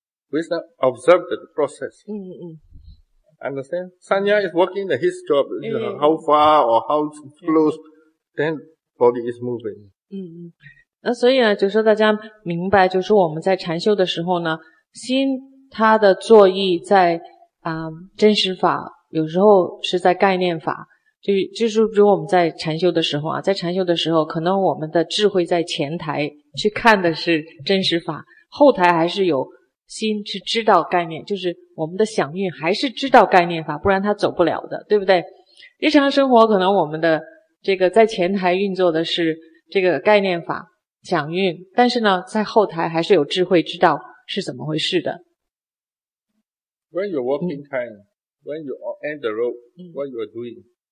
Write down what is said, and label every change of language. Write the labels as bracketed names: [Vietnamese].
[English] Wisdom observe the process. Understand? Sanya is walking the his job, you know, how far or how close, then body is moving. [Chinese] 那所以呢，就说大家明白，就是我们在禅修的时候呢，心它的作意在真实法，有时候是在概念法。就是比如我们在禅修的时候啊，在禅修的时候，可能我们的智慧在前台去看的是真实法，后台还是有心去知道概念，就是我们的想运还是知道概念法，不然它走不了的，对不对？日常生活可能我们的这个在前台运作的是这个概念法想运，但是呢，在后台还是有智慧知道是怎么回事的。 [English] When you're walking time, when you end the road, what you are doing?